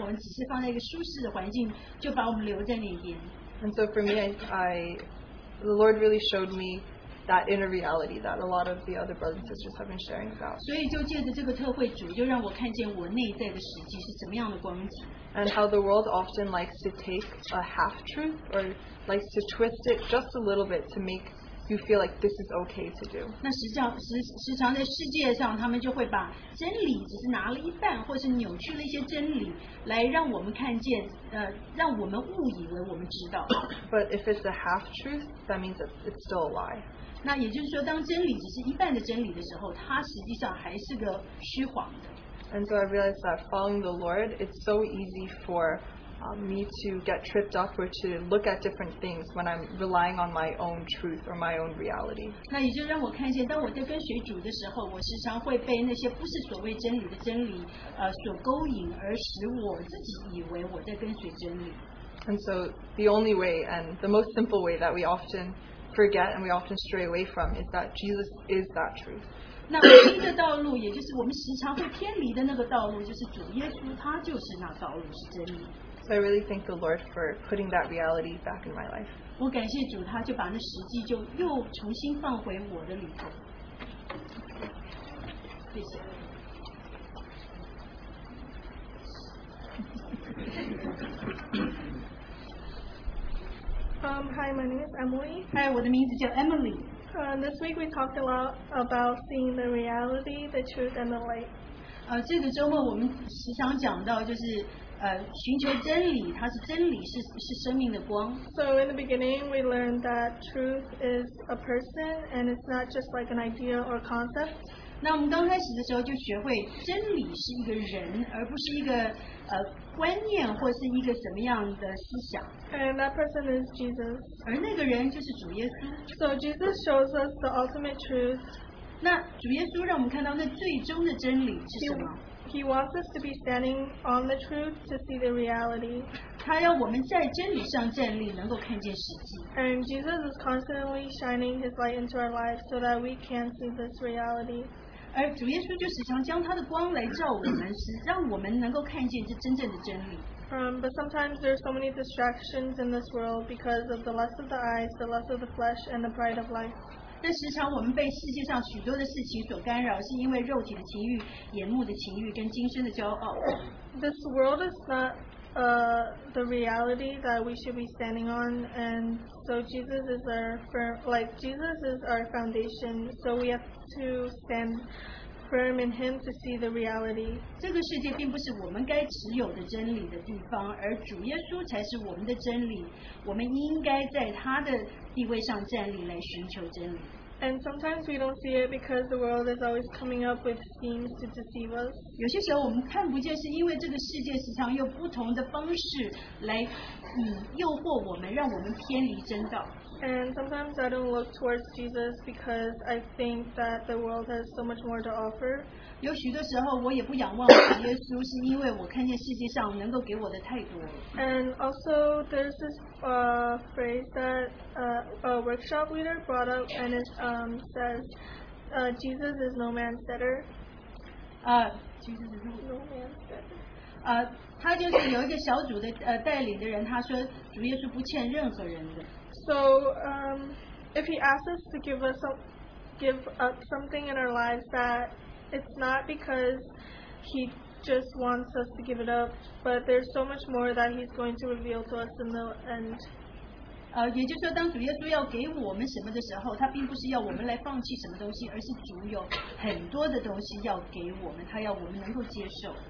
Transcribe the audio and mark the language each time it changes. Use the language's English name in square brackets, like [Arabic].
[Chinese] 因为他太爱我们了，他不要就是把我们只是放在一个舒适的环境，就把我们留在那边。 [English] And so for me, the Lord really showed me that inner reality that a lot of the other brothers and sisters have been sharing about. [Chinese] 所以就借着这个特会主，就让我看见我内在的实际是怎么样的光景。And [English] how the world often likes to take a half truth or likes to twist it just a little bit to make you feel like this is okay to do. [Chinese] 那时常 在世界上，他们就会把真理只是拿了一半，或是扭曲了一些真理，来让我们看见，让我们误以为我们知道。 [English] But if it's a half truth, that means it's still a lie. [Chinese] 那也就是说，当真理只是一半的真理的时候，它实际上还是个虚谎的。 [English] And so I realized that following the Lord, it's so easy for me to get tripped up or to look at different things when I'm relying on my own truth or my own reality. [Chinese] 那也就让我看见，当我在跟随主的时候，我时常会被那些不是所谓真理的真理，所勾引，而使我自己以为我在跟随真理。 [English] And so the only way and the most simple way that we often forget and we often stray away from is that Jesus is that truth. [Chinese] 那唯一的道路，也就是我们时常会偏离的那个道路，就是主耶稣，他就是那道路，是真理。 [English] So I really thank the Lord for putting that reality back in my life. [Chinese] 我感谢主，他就把那实际就又重新放回我的里头。谢谢。 [English] Hi, my name is Emily. [Chinese] Hi, 我的名字叫 Emily. [English] This week we talked a lot about seeing the reality, the truth, and the light. [Chinese] 这个周末我们时常讲到就是寻求真理，它是真理，是生命的光。 [English] So in the beginning, we learned that truth is a person, and it's not just like an idea or concept. [Chinese] 那我们刚开始的时候就学会真理是一个人，而不是一个观念或是一个什么样的思想。 [English] And that person is Jesus. [Chinese] 而那个人就是主耶稣。 [English] So Jesus shows us the ultimate truth. [Chinese] 那主耶稣让我们看到那最终的真理是什么？ [English] He wants us to be standing on the truth to see the reality. [Chinese] 他要我们在真理上站立，能够看见实际。 [English] And Jesus is constantly shining His light into our lives so that we can see this reality. [Chinese] 而主耶稣就时常将他的光来照我们，是让我们能够看见这真正的真理。 [English] But sometimes there are so many distractions in this world because of the lust of the eyes, the lust of the flesh, and the pride of life. [Chinese] 但时常我们被世界上许多的事情所干扰，是因为肉体的情欲、眼目的情欲跟今生的骄傲。 [English] This world is not the reality that we should be standing on, and so Jesus is our firm, like Jesus is our foundation. So we have to stand firm in Him to see the reality. [Chinese] 这个世界并不是我们该持有的真理的地方，而主耶稣才是我们的真理。我们应该在他的地位上站立来寻求真理。 [English] And sometimes we don't see it because the world is always coming up with schemes to deceive us. [Chinese] 有些时候我们看不见，是因为这个世界时常用不同的方式来诱惑我们，让我们偏离真道。 [English] And sometimes I don't look towards Jesus because I think that the world has so much more to offer. [Chinese] 有许多时候我也不仰望耶稣，是因为我看见世界上能够给我的太多。 [English] And also there's this phrase that a workshop leader brought up, and it says, Jesus is no man's debtor. Jesus is no man's debtor. [Chinese] 他就是有一个小组的带领的人，他说主耶稣不欠任何人的。 [English] So, if he asks us to give up something in our lives, that it's not because he just wants us to give it up, but there's so much more that he's going to reveal to us in the end. [Chinese] 也就是说，当主耶稣要给我们什么的时候，他并不是要我们来放弃什么东西，而是主有很多的东西要给我们，他要我们能够接受。